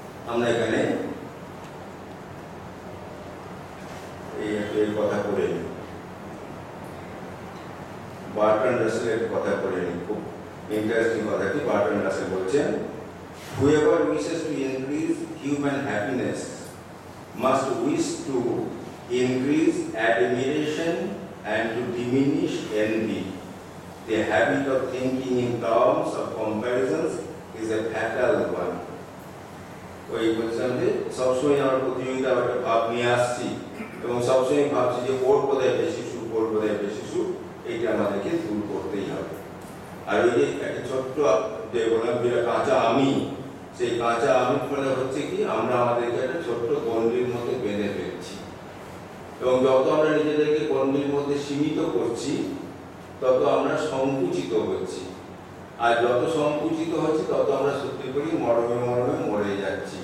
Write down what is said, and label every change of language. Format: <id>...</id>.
<bn>আমরা এখানে কথা বলে নিই, বার্টন রাসেল এর কথা বলে নিই, খুব ইন্টারেস্টিং কথা কি বার্টন রাসেল বলছেন,</bn> <en>Whoever wishes to increase human happiness must wish to increase admiration and to diminish envy. The habit of thinking in terms of comparisons is a fatal one.</en> <bn>ওই বলছিলাম যে সবসময় আমার প্রতিযোগিতা একটা ভাব নিয়ে আসছি এবং সবসময় ভাবছি যে ওর বোধহয় বেশি সুখ, ওর বোধহয় বেশি সুখ, এইটা আমাদেরকে দূর করতেই হবে। আর ওই যে একটা ছোট্ট দেবনাম্বীর কাঁচা আমি, সেই কাঁচা আমির ফলে হচ্ছে কি আমরা আমাদেরকে একটা ছোট্ট গন্ডির মতো বেঁধে ফেলছি এবং যত আমরা নিজেদেরকে কর্মের মধ্যে সীমিত করছি তত আমরা সংকুচিত হচ্ছি, আর যত সংকুচিত হচ্ছি তত আমরা সত্যি করি মরমে মরমে মরে যাচ্ছি।</bn>